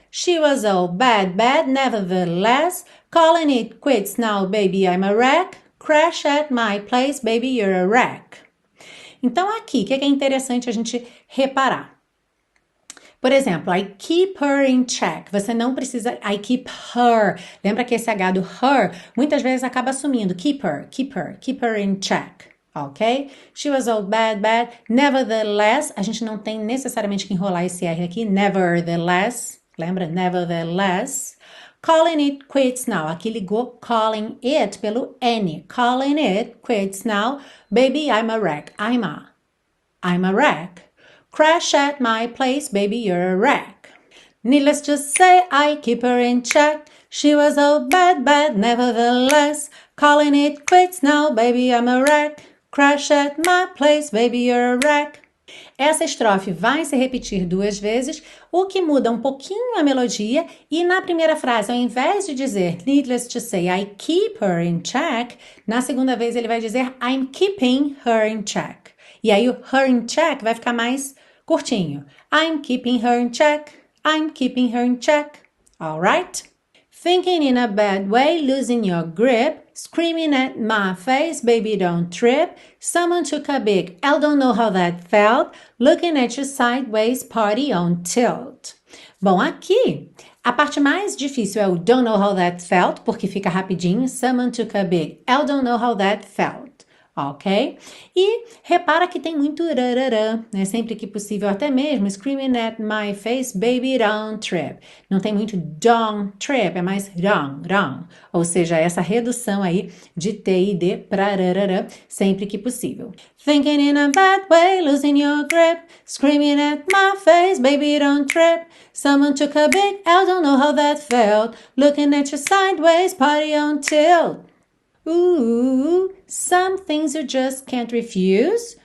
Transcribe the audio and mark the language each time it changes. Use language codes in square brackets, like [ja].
[en] She was all bad, bad, nevertheless. Calling it quits now, baby, I'm a wreck. Crash at my place, baby, you're a wreck. [pt] Então, aqui, o que é interessante a gente reparar? Por exemplo, [en] I keep her in check. [pt] Você não precisa, I keep her. Lembra que esse H do her, muitas vezes acaba sumindo. [en] Keep her, keep her, keep her in check. Ok? She was all bad, bad. [pt] Nevertheless, a gente não tem necessariamente que enrolar esse R aqui. [en] Nevertheless, lembra? Nevertheless. Calling it quits now. Aqui ligou calling it pelo N. Calling it quits now. Baby, I'm a wreck. I'm a wreck. Crash at my place, baby, you're a wreck. Needless to say, I keep her in check. She was all bad, bad, nevertheless. Calling it quits now, baby, I'm a wreck. Crash at my place, baby, you're a wreck. [pt] Essa estrofe vai se repetir duas vezes, o que muda um pouquinho a melodia. E na primeira frase, ao invés de dizer, needless to say, I keep her in check, na segunda vez ele vai dizer, I'm keeping her in check. E aí, o her in check vai ficar mais curtinho. [en] I'm keeping her in check. I'm keeping her in check. All right? Thinking in a bad way, losing your grip. Screaming at my face, baby, don't trip. Someone took a big L, don't know how that felt. Looking at you sideways, party on tilt. [pt] Bom, aqui, a parte mais difícil é o [en] don't know how that felt, [pt] porque fica rapidinho. [en] Someone took a big L, don't know how that felt. Ok? [pt] E repara que tem muito rararã, né? Sempre que possível, até mesmo, screaming at my face, baby, don't trip. Não tem muito don't trip, é mais rong, rong. Ou seja, essa redução aí de T e D pra rararã, sempre que possível. [en] Thinking in a bad way, losing your grip, screaming at my face, baby, don't trip. Someone took a big L, don't know how that felt, looking at you sideways, party on tilt. Ooh, some things you just can't refuse.